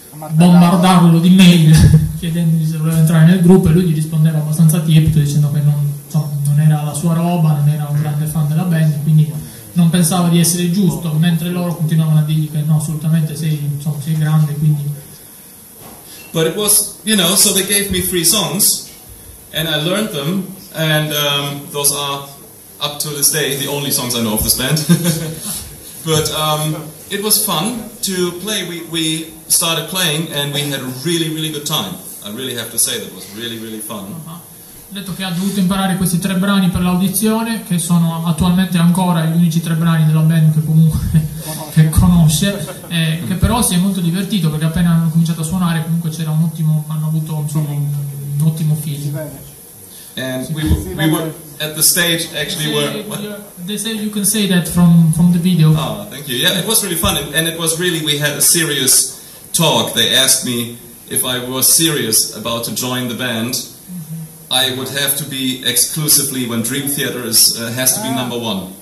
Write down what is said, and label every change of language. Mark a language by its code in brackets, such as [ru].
[it] bombardarlo di mail chiedendogli se voleva entrare nel gruppo e lui gli rispondeva abbastanza tiepido dicendo che non era la sua roba, non era un grande fan della band, quindi non pensava di essere giusto, mentre loro continuavano a dirgli che no, assolutamente sei grande, quindi. [en] But it was, you know, so they gave me 3 songs and I learned them and those are up to this day the only songs I know of this band. But it was fun to play. We started playing and we had a really, really good time. I really have to say that was really, really fun. [it] Ha detto che ha dovuto imparare questi 3 brani per l'audizione, che sono attualmente ancora gli unici 3 brani della band che comunque che conosce, che però si è molto divertito perché appena hanno cominciato a suonare comunque c'era un ottimo, hanno avuto insomma un ottimo feeling. [en] And we were at the stage actually where they say you can say that from the video. Oh, thank you. Yeah, it was really fun and it was really, we had a serious talk. They asked me if I was serious about to join the band. I would have to be exclusively when Dream Theater is has to be number one.